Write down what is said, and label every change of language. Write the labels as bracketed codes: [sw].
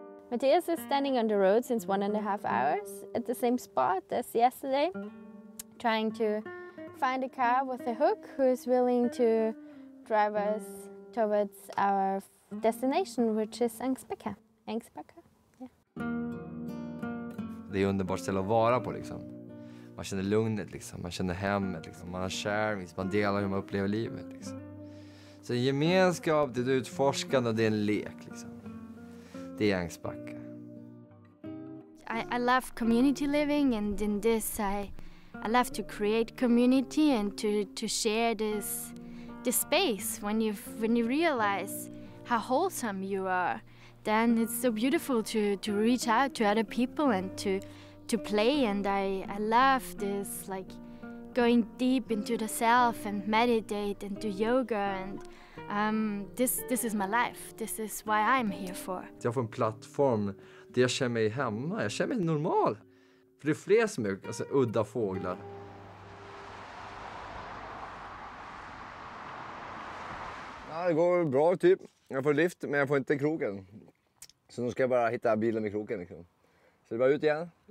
[en] Mathias is standing on the road since 1.5 hours at the same spot as yesterday, trying to find a car with a hook who is willing to drive us towards our destination, which is Ängsbacka. Ängsbacka, yeah. [sv] Det är underbart ställe att vara på, liksom. Man känner lugnet, liksom. Man känner hemmet, liksom. Man har sharing, man delar hur man upplever livet, liksom. Så gemenskap, det är utforskande och det är en lek, liksom. Det är Ängsbacka. [en] I love community living and in this I love to create community and to share this space when you realize how wholesome you are, then it's so beautiful to reach out to other people and to play, and I love this, like, going deep into the self and meditate and do yoga, and this is my life. This is why I'm here for. [sv] Jag får en plattform där jag känner mig hemma. Jag känner mig normal. För det är fler som är, alltså, udda fåglar. Ja, det går bra, typ. Jag får lift, men jag får inte kroken. Så nu ska jag bara hitta bilen med kroken, liksom. Så det är bara ut igen.